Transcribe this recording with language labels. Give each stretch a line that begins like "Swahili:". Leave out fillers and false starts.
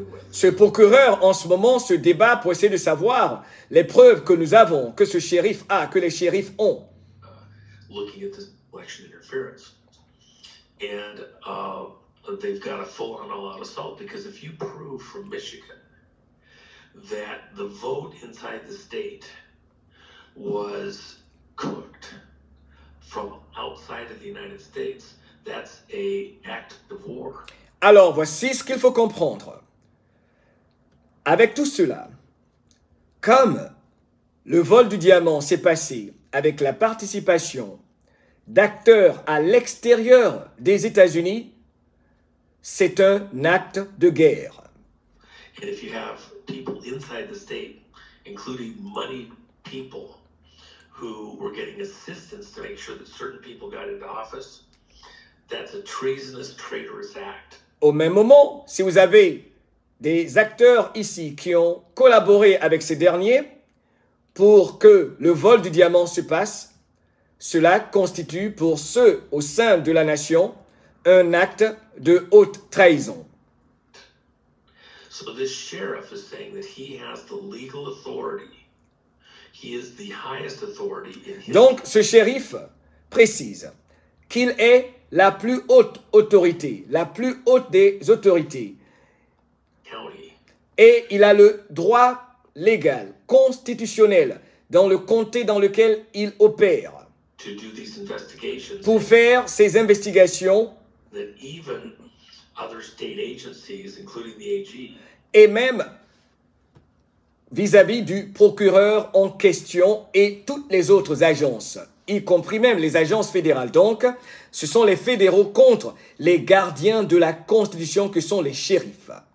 French: Ce procureur en ce moment se débat pour essayer de savoir les preuves que nous avons, que ce shérif a, que les shérifs ont.
English: Looking at this election interference. And they've got a full on a lot of salt, because if you prove from Michigan that the vote inside the state was cooked from outside of the United States, that's a act of war.
French: Alors, voici ce qu'il faut comprendre. Avec tout cela, comme le vol du diamant s'est passé avec la participation d'acteurs à l'extérieur des États-Unis, c'est un acte de guerre.
English: And if you have people inside the state, including money people, who were getting assistance to make sure that certain people got into office, that's a treasonous, traitorous act.
French: Au même moment, si vous avez des acteurs ici qui ont collaboré avec ces derniers pour que le vol du diamant se passe, cela constitue pour ceux au sein de la nation un acte de haute trahison.
English: So this sheriff is saying that he has the legal authority. He is the highest authority in his...
French: Donc ce shérif précise qu'il est la plus haute autorité, la plus haute des autorités.
English: County.
French: Et il a le droit légal, constitutionnel, dans le comté dans lequel il opère.
English: To do these investigations.
French: Pour faire ces investigations.
English: That even other state agencies, including the AG.
French: Et même vis-à-vis du procureur en question et toutes les autres agences, y compris même les agences fédérales. Donc, ce sont les fédéraux contre les gardiens de la Constitution que sont les shérifs.